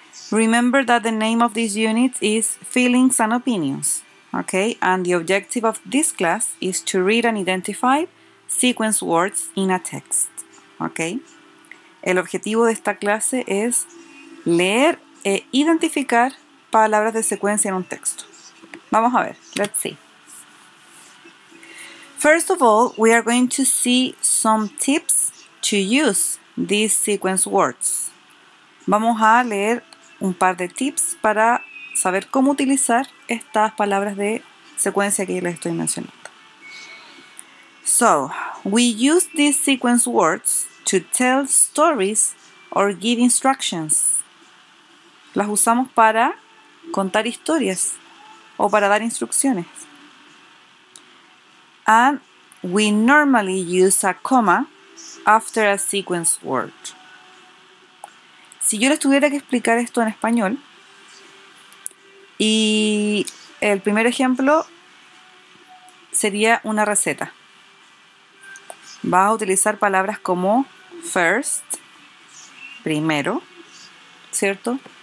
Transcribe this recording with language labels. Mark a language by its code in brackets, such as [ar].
[en] Remember that the name of this unit is Feelings and Opinions. Okay, and the objective of this class is to read and identify sequence words in a text. [es] Okay, el objetivo de esta clase es leer e identificar palabras de secuencia en un texto. Vamos a ver. [en] Let's see. First of all, we are going to see some tips to use these sequence words. [es] Vamos a leer un par de tips para saber cómo utilizar estas palabras de secuencia que yo les estoy mencionando. [en] So, we use these sequence words to tell stories or give instructions. [es] Las usamos para contar historias o para dar instrucciones. [en] And we normally use a comma after a sequence word. [es] Si yo les tuviera que explicar esto en español, y el primer ejemplo sería una receta. Vas a utilizar palabras como first, primero, ¿cierto?